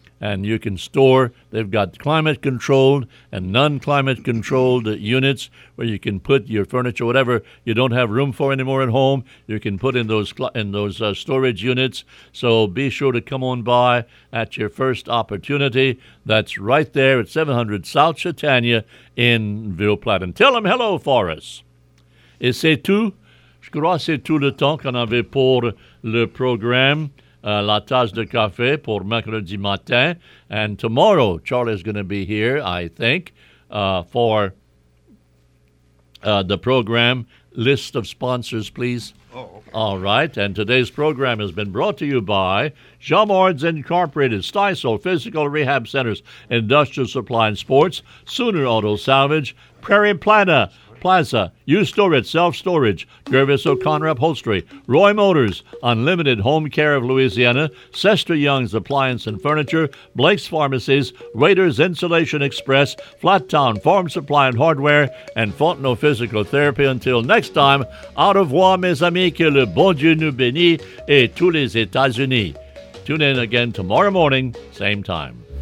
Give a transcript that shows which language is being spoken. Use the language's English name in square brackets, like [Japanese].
[English] And you can store. They've got climate-controlled and non-climate-controlled units where you can put your furniture, whatever you don't have room for anymore at home, you can put in those storage units. So be sure to come on by at your first opportunity. That's right there at 700 South Chatania in Ville Platte. And tell them hello for us. [French] Et c'est tout. Je crois que c'est tout le temps qu'on avait pour le programme. La tasse de café pour mercredi matin. [English] And tomorrow, Charlie's going to be here, I think, for the program. List of sponsors, please. Oh, okay. All right. And today's program has been brought to you by Jamards Incorporated, Stisol Physical Rehab Centers, Industrial Supply and Sports, Sooner Auto Salvage, Prairie Plana Plaza, You Store It, Self Storage, Gervis O'Connor Upholstery, Roy Motors, Unlimited Home Care of Louisiana, Sester Young's Appliance and Furniture, Blake's Pharmacies, Raiders Insulation Express, Flat Town Farm Supply and Hardware, and Fontenot Physical Therapy. Until next time, [French] au revoir, mes amis, que le bon Dieu nous bénisse et tous les États-Unis. [English] Tune in again tomorrow morning, same time.